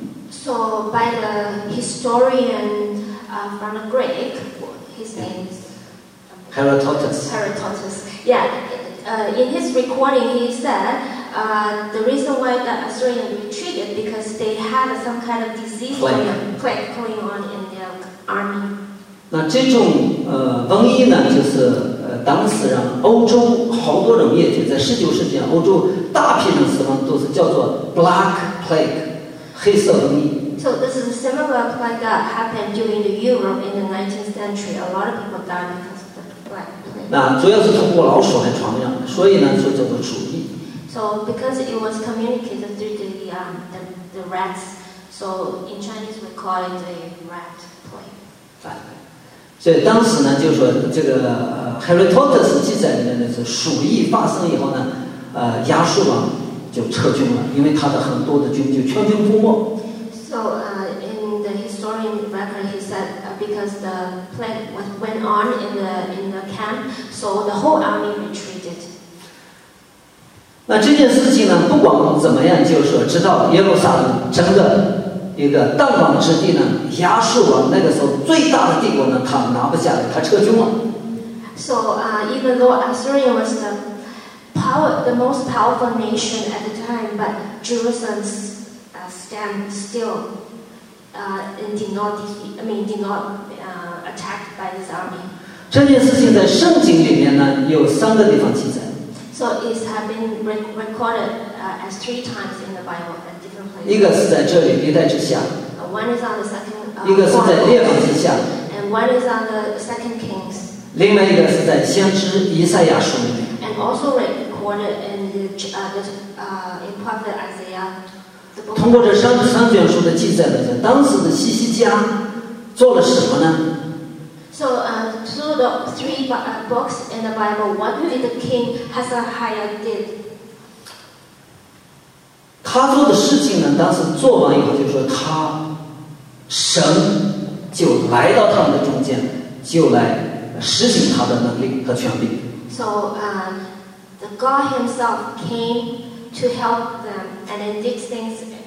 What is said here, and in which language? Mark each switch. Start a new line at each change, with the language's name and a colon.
English: So by the historian from the Greek, his name is Herodotus. Herodotus, yeah. In his recording, he said the reason why the Assyrians retreated because they had some kind of disease going on in their army.
Chinese: 那这种瘟疫呢，就是当时让欧洲好多人灭绝，在19世纪啊，欧洲大批人死亡都是叫做 Black Plague, 黑色瘟疫。
English: So this is similar to like that happened during the Europe in the 19th century. A lot of people died because of the plague.
Chinese: 那主要是通过老鼠来传染，所以呢，就叫做鼠疫。
English: So because it was communicated through the rats, so in Chinese we call it the rat plague.
Chinese: 所以当时呢，就说这个Herodotus 记载里面的是鼠疫发生以后呢，亚述王就撤军了，因为他的很多的军就全军覆没。
English: So in the historian record, he said. Because the plague went on in the camp, so the whole army retreated.
Chinese: 那这件事情呢，不管怎么样，就是说，直到耶路撒冷整个一个弹丸之地呢，亚述王那个时候最大的帝国呢，他拿不下来，他撤军了。
English: So, even though Assyria was the most powerful nation at the time, but Jerusalem's stand still. Did not attack by this army.
Chinese: 这件事情在圣经里面呢，有三个地方记载。
English: So it has been recorded as three times in the Bible at different places.
Chinese: 一个是在这里历代之下。
English: One is on the second.
Chinese: 一个是在列王记下。
English: And one is on the second Kings.
Chinese: 另外一个是在先知以赛亚书里面。
English: And also recorded in the prophet Isaiah.
Chinese: 通过这三卷书的记载呢，在当时的西西家做了什么呢
English: ？So, through the three books in the Bible, what did the king Hezekiah did?
Chinese: 他做的事情呢，当时做完以后，就说他神就来到他们的中间，就来实行他的能力和权柄。
English: So, the God himself came to help them and then did things.